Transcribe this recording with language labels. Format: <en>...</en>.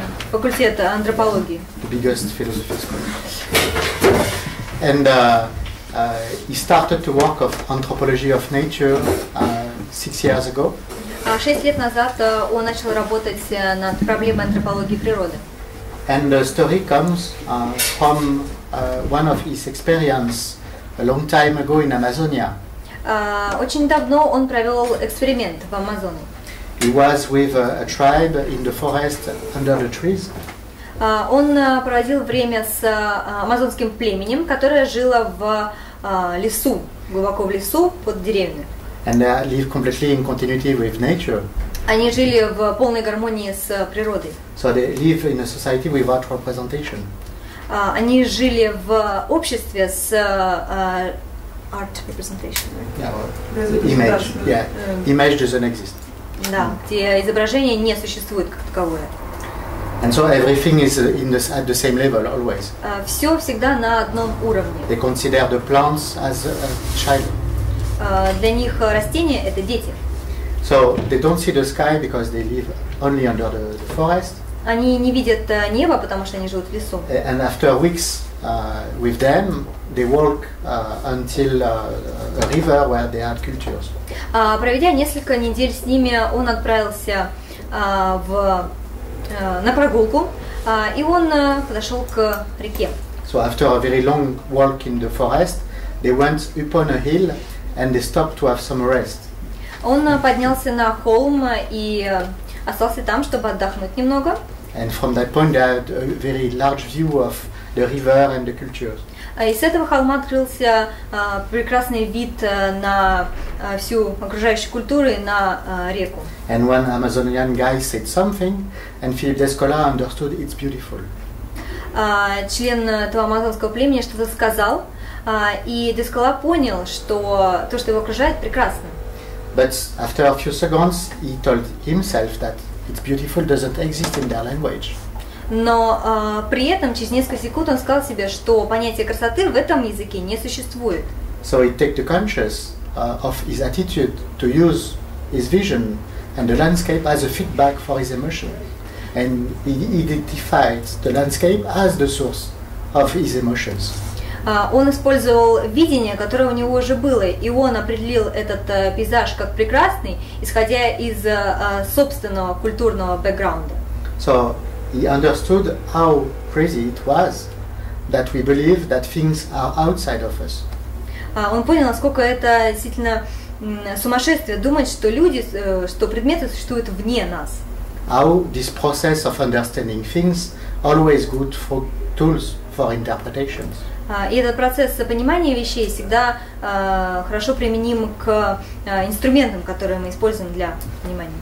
<ru>факультет антропологии.</ru> <en>The biggest philosophy school. And he started to work of anthropology of nature 6 years ago.</en> <ru>6 лет назад он начал работать над проблемой антропологии природы.</ru> <en>And the story comes from one of his experience a long time ago in Amazonia.</en> <ru>Очень давно он провел эксперимент в Амазонии.</ru> <en>He was with a tribe in the forest under the trees.</en> <ru>Он проводил время с амазонским племенем, которое жило в лесу, глубоко в лесу под деревней.</ru> <en>And they live completely in continuity with nature.</en> <ru>Они жили в полной гармонии с природой.</ru> <en>So they live in a society without representation.</en> <ru>Они жили в обществе с</ru> <en>art representation. Yeah, image. Yeah, image doesn't exist.</en> <ru>Да, где изображение не существует как таковое.</ru> <en>And so everything is in the, at the same level always.</en> <ru>Все всегда на одном уровне.</ru> <en>They consider the plants as a child.</en> <ru>Для них растения это дети.</ru> <en>So they don't see the sky because they live only under the forest.</en> <ru>Они не видят небо, потому что они живут в лесу.</ru> <en>And after weeks with them, they walk until a river where they had cultures.</en> <ru>Проведя несколько недель с ними, он отправился на прогулку, и он подошел к реке.</ru> <en>So after a very long walk in the forest, they went upon a hill and they stopped to have some rest.</en> <ru>Он поднялся на холм и остался там, чтобы отдохнуть немного.</ru> <en>And from that point, they had a very large view of the river and the cultures.</en> <ru>И с этого холма открылся прекрасный вид на всю окружающую культуру и на реку.</ru> <en>And one Amazonian guy said something, and Philippe Descola understood it's beautiful.</en> <ru>Член этого амазонского племени что-то сказал, и Дескола понял, что то, что его окружает, прекрасно.</ru> <en>But after a few seconds, he told himself that it's beautiful doesn't exist in their language.</en> <ru>Но при этом через несколько секунд он сказал себе, что понятие красоты в этом языке не существует.</ru> <en>So he took the conscious of his attitude to use his vision and the landscape as a feedback for his emotion, and he identified the landscape as the source of his emotions.</en> <ru>Он использовал видение, которое у него уже было, и он определил этот пейзаж как прекрасный, исходя из собственного культурного бэкграунда.</ru> <en>So he understood how crazy it was that we believe that things are outside of us.</en> <ru>Он понял, насколько это действительно сумасшествие думать, что люди, что предметы существуют вне нас.</ru> <en>How this process of understanding things always good for tools for interpretations.</en> <ru>И этот процесс понимания вещей всегда хорошо применим к инструментам, которые мы используем для понимания.</ru>